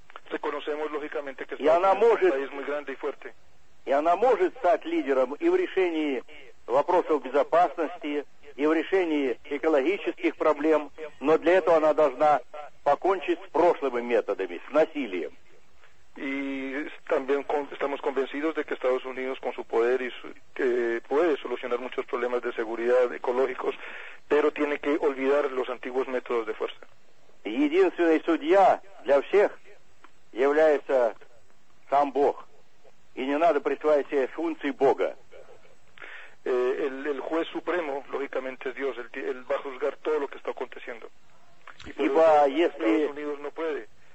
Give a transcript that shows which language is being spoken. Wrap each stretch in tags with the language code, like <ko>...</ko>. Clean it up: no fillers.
<es>Reconocemos lógicamente que Estados Unidos es un país muy grande y fuerte.</es> <ru>И она может стать лидером и в решении вопросов безопасности, и в решении экологии. экологических проблем, но для этого она должна покончить с прошлыми методами, с насилием.</ru> <es>Y también estamos convencidos de que Estados Unidos con su poder y que puede solucionar muchos problemas de seguridad ecológicos, pero tiene que olvidar los antiguos métodos de fuerza.</es> <ru>Единственный судья для всех является сам Бог, и не надо присваивать себе функции Бога.</ru> <es>El juez supremo lógicamente es Dios, él va a juzgar todo lo que está aconteciendo. Estados Unidos no puede.</es>